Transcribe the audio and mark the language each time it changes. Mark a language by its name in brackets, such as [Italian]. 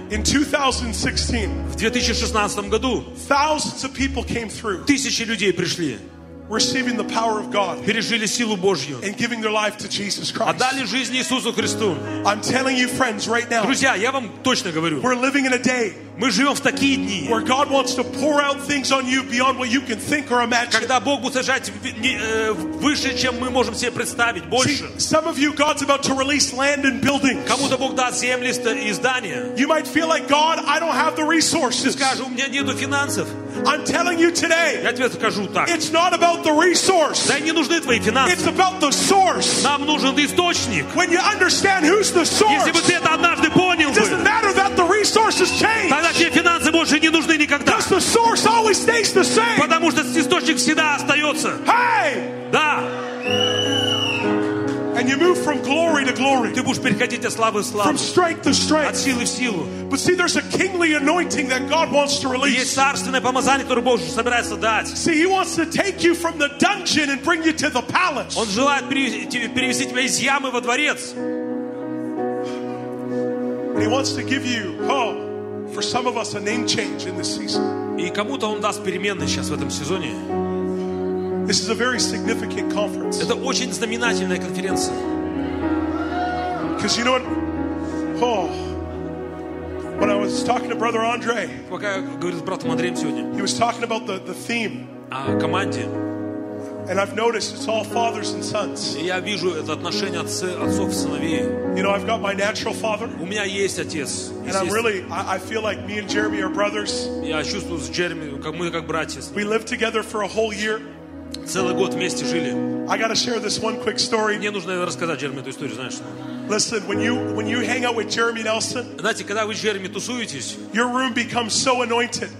[English] In 2016. [Russian] В 2016 году. [English] Thousands of people came through. [Russian] Тысячи людей пришли. [English] Receiving the power of God, [Russian] пережили силу Божью, [English] and giving their life to Jesus Christ, [Russian] отдали жизнь Иисусу Христу. [English] I'm telling you, friends, right now, [Russian] друзья, я вам точно говорю, [English] we're living in a day, [Russian] мы живем в такие дни, [English] where God wants to pour out things on you beyond what you can think or imagine. [Russian] Когда Бог будет сажать выше, чем мы можем себе представить, больше. [English] See, some of you, God's about to release land and buildings. [Russian] Кому-то Бог даст земли и здания. [English] You might feel like, God, I don't have the resources. [Russian] Скажу, у меня нету финансов. [English] I'm telling you today. [Russian] Я тебе скажу так. [English] It's not about the resource. [Russian] Да не нужны твои финансы. [English] It's about the source. [Russian] Нам нужен источник. [English] When you understand who's the source. [Russian] Если бы ты это однажды понял бы. [English] It doesn't matter that the resources change. [Russian] Тогда тебе финансы больше не нужны никогда. [English] Because the source always stays the same. [Russian] Потому что источник всегда остается. [English] Hey. [Russian] Да. [English] And you move from glory to glory. [Russian] Ты будешь переходить от славы в славу. [English] From strength to strength. [Russian] От силы в силу. [English] But see, there's a kingly anointing that God wants to release. [Russian] Есть царственное помазание, которое Бог собирается дать. [English] See, He wants to take you from the dungeon and bring you to the palace. [Russian] Он желает перевести тебя из ямы во дворец. [English] And He wants to give you hope for some of us a name change in this season. [Russian] И кому-то Он даст перемены сейчас в этом сезоне. [English] This is a very significant conference. [Russian] Это очень знаменательная конференция. [English] Because you know what? Oh, when I was talking to Brother Andre, [Russian] пока я говорил с братом Андреем сегодня, [English] he was talking about the theme. [Russian] О команде. [English] And I've noticed it's all fathers and sons. [Russian] Я вижу это отношение отцов и сыновей. [English] You know, I've got my natural father. [Russian] У меня есть отец. [English] And I'm really, I feel like me and Jeremy are brothers. [Russian] Я чувствую с Джереми, как мы как братья. [English] We lived together for a whole year. [Russian] Целый год вместе жили. [English] I gotta share this one quick story. [Russian] Мне нужно рассказать Джереми эту историю, знаешь. [English] Listen, when you hang out with Jeremy Nelson, [Russian] знаете, когда вы с Джереми тусуетесь, [English] your room becomes so anointed.